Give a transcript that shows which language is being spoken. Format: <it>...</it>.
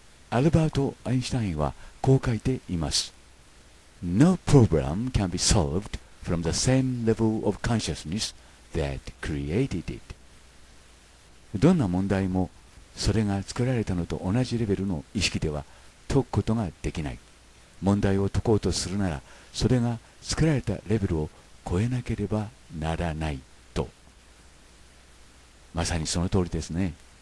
<ja>アルバート・アインシュタインはこう書いています。</ja> <en>No problem can be solved from the same level of consciousness that created it.</en> <ja>どんな問題もそれが作られたのと同じレベルの意識では解くことができない。問題を解こうとするならそれが作られたレベルを超えなければならないと。まさにその通りですね。</ja>